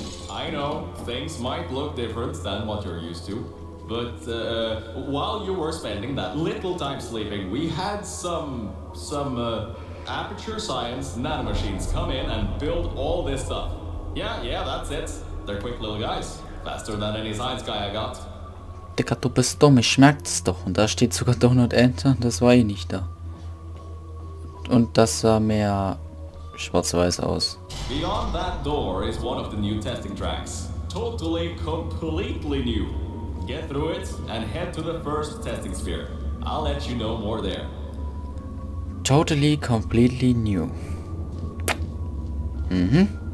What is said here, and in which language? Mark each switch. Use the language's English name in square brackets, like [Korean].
[English] I know, things might look different than what you're used to. But while you were spending that little time sleeping, we had some aperture science nanomachines come in and build all this stuff. Yeah, yeah, that's it. They're quick little guys. Faster than any science guy I got. [German] Dicker, du bist dumm, ich schmerk's doch. Und da steht sogar Donut Enter, das war ich nicht da. Und das sah mehr schwarz-weiß aus. [English] Beyond that door is one of the new testing tracks. Totally, completely new. Get through it and head to the first testing sphere. I'll let you know more there. Totally, completely new. Mhm.